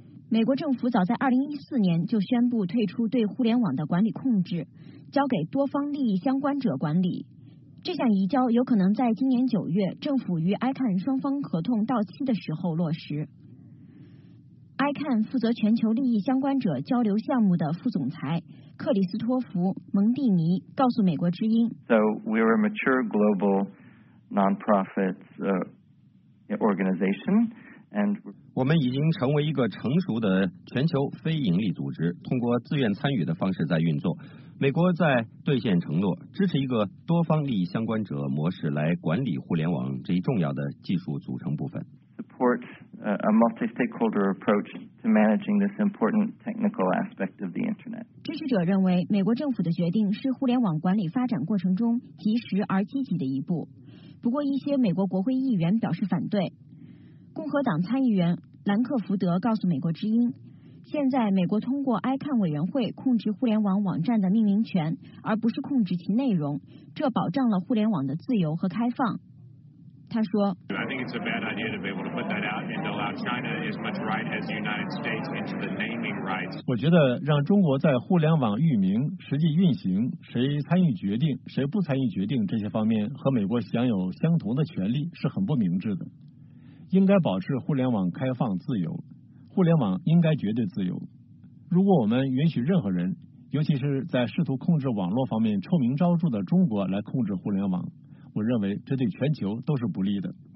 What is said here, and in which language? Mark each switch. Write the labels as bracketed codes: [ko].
[zh] 美国政府早在2014年就宣布退出对互联网的管理控制，交给多方利益相关者管理。这项移交有可能在今年9月政府与 ICANN 双方合同到期的时候落实。 ICANN 负责全球利益相关者交流项目的副总裁克里斯托弗·蒙蒂尼告诉美国之音， [en] So we're a mature global nonprofit organization, and [zh] 我们已经成为一个成熟的全球非盈利组织，通过自愿参与的方式在运作。美国在兑现承诺，支持一个多方利益相关者模式来管理互联网这一重要的技术组成部分。 [en] Support a multi-stakeholder approach to managing this important technical aspect of the internet. [zh] 支持者认为，美国政府的决定是互联网管理发展过程中及时而积极的一步。不过，一些美国国会议员表示反对。共和党参议员兰克福德告诉美国之音，现在美国通过 ICANN 委员会控制互联网网站的命名权，而不是控制其内容，这保障了互联网的自由和开放。他说 [en] I think it's a bad idea to be able to put that out and allow China as much right as the United States into the naming rights. [zh] 我觉得让中国在互联网域名实际运行谁参与决定谁不参与决定这些方面和美国享有相同的权利是很不明智的，应该保持互联网开放自由，互联网应该绝对自由。如果我们允许任何人，尤其是在试图控制网络方面臭名昭著的中国来控制互联网，我认为这对全球都是不利的。